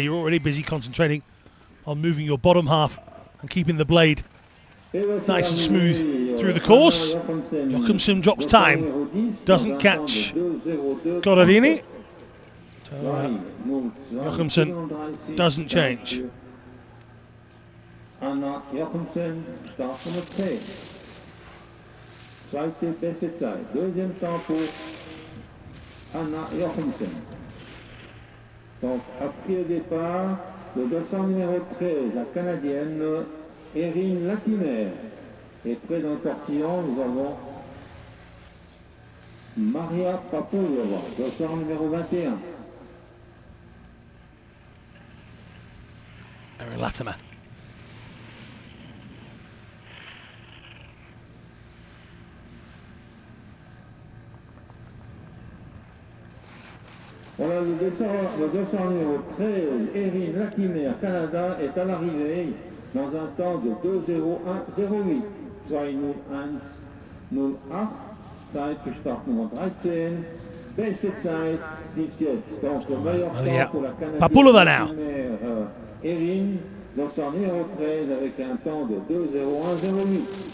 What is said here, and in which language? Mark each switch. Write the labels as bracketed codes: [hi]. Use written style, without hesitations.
[en] You're already busy concentrating on moving your bottom half and keeping the blade nice and smooth through the course. Jochemsen drops time. Doesn't catch Corradini. Jochemsen doesn't change. [fr] Donc après le départ, le 200 numéro 13, la Canadienne, Erin Latimer. Et près d'un portillon, nous avons Maria Papoulova, 200 numéro 21. Erin Latimer. Voilà le 200 numéro 13, Erin Latimer, Canada, est à l'arrivée dans un temps de 2:01.08. [de] Soit 2:01.08, Zeit für Start Nummer 13, beste Zeit 17. [fr] Donc le meilleur temps pour la Canada, Papoulova [en] now. [fr] Erin, 200 numéro 13, avec un temps de 2:01.08.